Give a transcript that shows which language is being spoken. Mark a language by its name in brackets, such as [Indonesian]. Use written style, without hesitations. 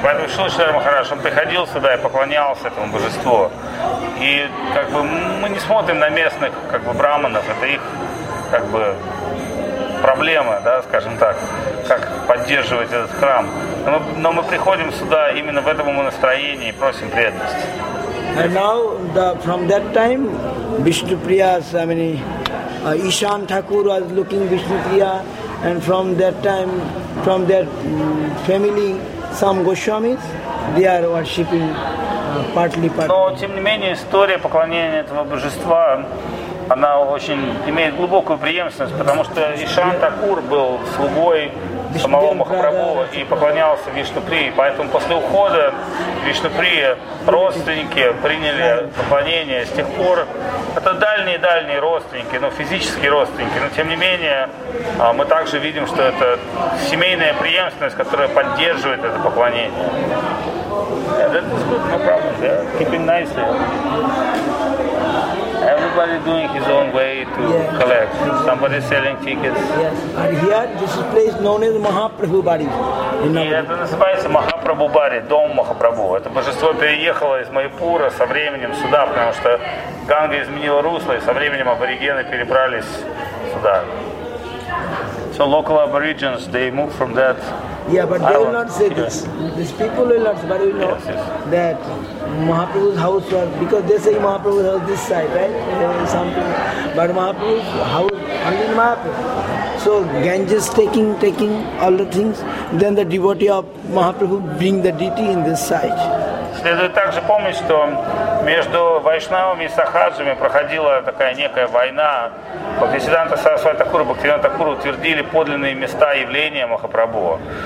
[Russian] Поэтому Шрила Сиддхарта Махарадж, он приходил сюда и поклонялся этому божеству. И как бы мы не смотрим на местных как бы браманов, это их как бы проблема, да, скажем так, как поддерживать этот храм. Но мы приходим сюда именно в этом настроении и просим преданности. [English] And now from that time Vishnu Priya, I mean Ishan Thakur was looking Vishnu Priya, and from that time, from that family, some Goswamis, they are worshipping partly. [Russian] Но тем не менее история поклонения этого божества, она очень имеет глубокую преемственность, потому что Ишан Такур был слугой самого Махапрабху и поклонялся Вишну Прии. Поэтому после ухода Вишну Прии родственники приняли поклонение. С тех пор это дальние-дальние родственники, но физические родственники. Но тем не менее мы также видим, что это семейная преемственность, которая поддерживает это поклонение. [English] That's good, no problem. Yeah. Keeping nice. Everybody doing his own way to collect. Somebody selling tickets. Yes. And here, this is place known as Mahaprabhu Bari. [Russian] Это называется Махапрабху Бари, дом Махапрабху. Это божество переехало из Майпура со временем сюда, потому что Ганга изменила русло, и со временем аборигены перебрались сюда. [English] So local aborigines, they move from that. Yeah, but they will not say this. These people will not say, but you know that Mahaprabhu's house was, because they say Mahaprabhu's house this side, right? Something. But Mahaprabhu's house, only Mahaprabhu. So Ganges taking all the things, then the devotee of Mahaprabhu bring the deity in this side. [Russian] Следует также помнить, что между вайшнавами и сахаджами проходила такая некая война. Бхактисиддханта Сарасвати Такура, Бхактисиддханта Такура утвердили подлинные места явления Махапрабху.